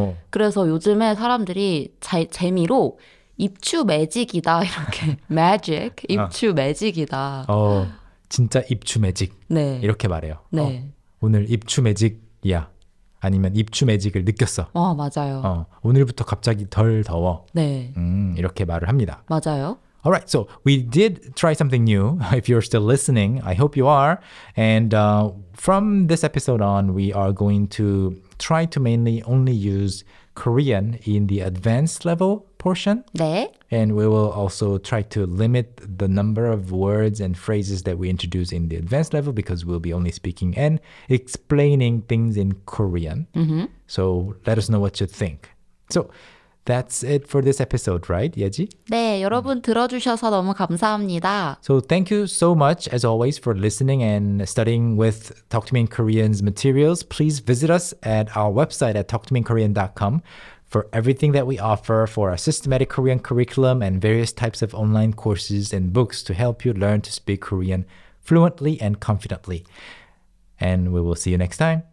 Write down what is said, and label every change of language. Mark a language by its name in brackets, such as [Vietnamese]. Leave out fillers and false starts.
[Korean] 그래서 요즘에 사람들이 재미로 입추 매직이다 이렇게 매직, 입추 매직이다. 진짜 입추 매직. 네. 이렇게 말해요. 네. 오늘 입추 매직이야. 아니면 입추 매직을 느꼈어. 맞아요. 오늘부터 갑자기 덜 더워. 네. 이렇게 말을 합니다. 맞아요. [English] Alright, so we did try something new. If you're still listening, I hope you are. And from this episode on, we are going to try to mainly only use Korean in the advanced level portion. [Korean] 네. [English] And we will also try to limit the number of words and phrases that we introduce in the advanced level because we'll be only speaking and explaining things in Korean. Mm-hmm. So let us know what you think. So that's it for this episode, right, Yeji? [Korean] 네, 여러분 들어주셔서 너무 감사합니다. [English] So thank you so much, as always, for listening and studying with Talk to Me in Korean's materials. Please visit us at our website at talktomeinkorean.com for everything that we offer, for our systematic Korean curriculum and various types of online courses and books to help you learn to speak Korean fluently and confidently. And we will see you next time.